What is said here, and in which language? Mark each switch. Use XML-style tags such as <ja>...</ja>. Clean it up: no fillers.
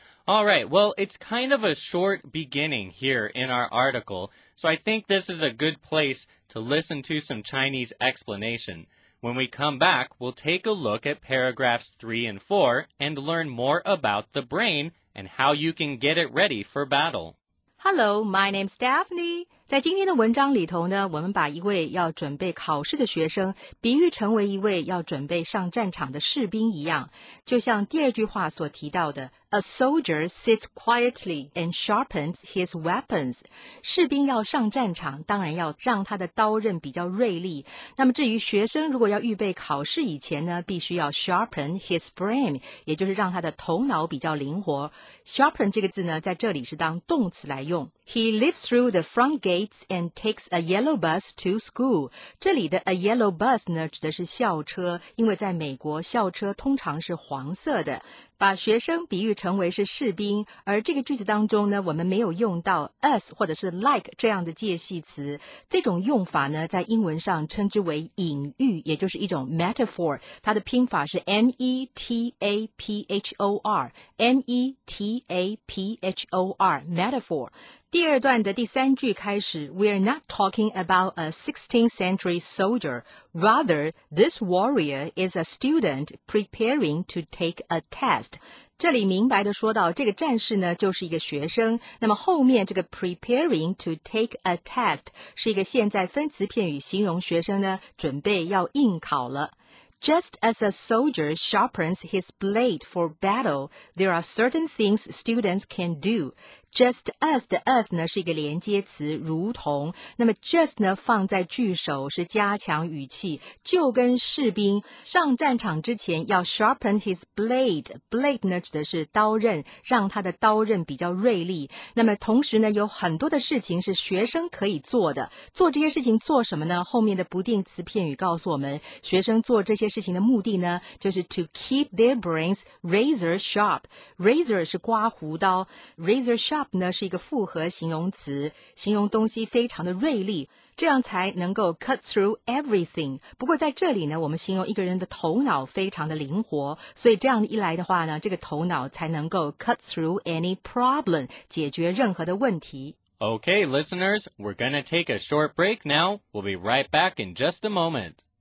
<en>All right, well, it's kind of a short beginning here in our article, so I think this is a good place to listen to some Chinese explanation. When we come back, we'll take a look at paragraphs 3 and 4 and learn more about the brain and how you can get it ready for battle. Hello, my name's Daphne.</en> <zh>在今天的文章里头呢，我们把一位要准备考试的学生比喻成为一位要准备上战场的士兵一样，就像第二句话所提到的 ,</zh> <en>A soldier sits quietly and sharpens his weapons.</en> <zh>士兵要上战场，当然要让他的刀刃比较锐利。那么至于学生如果要预备考试以前呢，必须要</zh> <en>sharpen his brain,</en> <zh>也就是让他的头脑比较灵活。 Sharpen 这个字呢，在这里是当动词来用。</zh> <en>He lives through the front gates and takes a yellow bus to school.</en> <zh>这里的</zh> <en>a yellow bus</en> <zh>呢，指的是校车，因为在美国，校车通常是黄色的。把学生比喻成为是士兵，而这个句子当中呢，我们没有用到 us 或者是 like 这样的介系词。这种用法呢，在英文上称之为隐喻，也就是一种 metaphor。它的拼法是 metaphor, metaphor。第二段的第三句开始 ,</zh> <en>We're not talking about a 16th century soldier. Rather, this warrior is a student preparing to take a test.</en> <zh>这里明白地说到这个战士呢就是一个学生。那么后面这个</zh> <en>preparing to take a test</en> <zh>是一个现在分词片语形容学生呢准备要应考了。</zh> <en>Just as a soldier sharpens his blade for battle, there are certain things students can do.</en> <zh>Just as 的 as 呢是一个连接词，如同。那么 just 呢放在句首是加强语气，就跟士兵上战场之前要</zh> <en>sharpen his blade.</en> <zh>Blade 呢指的是刀刃，让他的刀刃比较锐利。那么同时呢，有很多的事情是学生可以做的。做这些事情做什么呢？后面的不定词片语告诉我们，学生做这些事情的目的呢，就是</zh> <en>to keep their brains razor sharp.</en> <zh>Razor 是刮胡刀 ，razor sharp 呢是一个复合形容词，形容东西非常的锐利，这样才能够</zh> <en>cut through everything.</en> <zh>不过在这里呢，我们形容一个人的头脑非常的灵活，所以这样一来的话呢，这个头脑才能够</zh> <en>cut through any problem,</en> <zh>解决任何的问题。</zh> <en>Okay, listeners, we're gonna take a short break now. We'll be right back in just a moment.</en>